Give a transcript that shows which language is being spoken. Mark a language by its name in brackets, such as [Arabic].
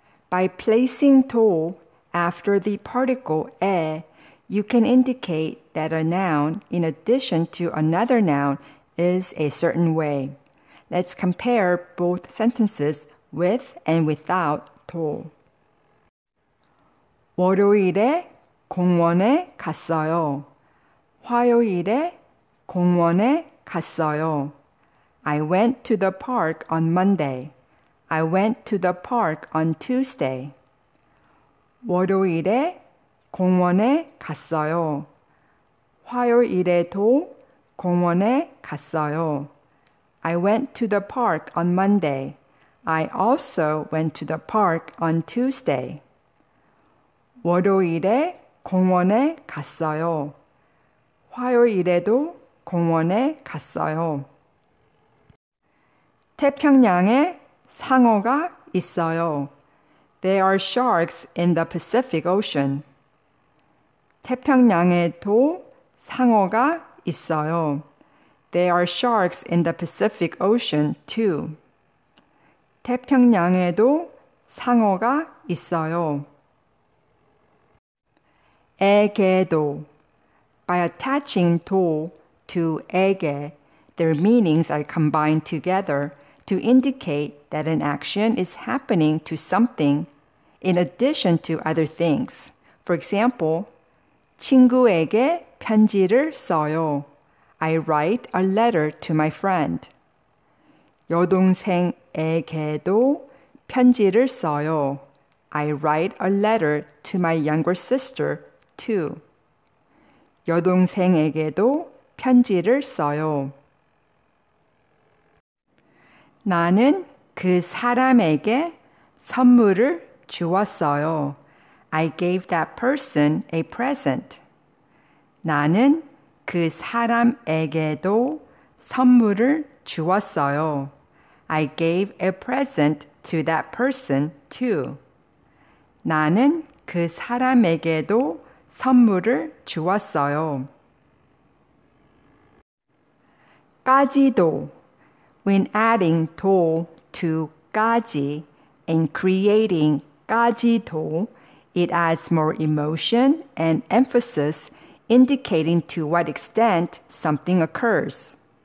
[English] By placing 도 after the particle 에, you can indicate that a noun in addition to another noun is a certain way. Let's compare both sentences with and without 도. [Korean] 월요일에 공원에 갔어요. 화요일에 공원에 갔어요. [English] I went to the park on Monday. I went to the park on Tuesday. [Korean] 월요일에 공원에 갔어요. 화요일에도 공원에 갔어요. [English] I went to the park on Monday. I also went to the park on Tuesday. [Korean] 월요일에 공원에 갔어요. 화요일에도 공원에 갔어요. 태평양에 상어가 있어요. [English] There are sharks in the Pacific Ocean. [Korean] 태평양에도 상어가 있어요. [English] There are sharks in the Pacific Ocean too. [Korean] 태평양에도 상어가 있어요. [English] 에게도. By attaching 도 to 에게, their meanings are combined together to indicate that an action is happening to something in addition to other things. For example, [Korean] 친구에게 편지를 써요. [English] I write a letter to my friend. [Korean] 여동생에게도 편지를 써요. [English] I write a letter to my younger sister too. [Korean] 여동생에게도 편지를 써요. 나는 그 사람에게 선물을 주었어요. [English] I gave that person a present. [Korean] 나는 그 사람에게도 선물을 주었어요. [English] I gave a present to that person too. [Korean] 나는 그 사람에게도 선물을 주었어요. [English] 까지도. When adding 도 to 까지 and creating 까지도, it adds more emotion and emphasis, indicating to what extent something occurs.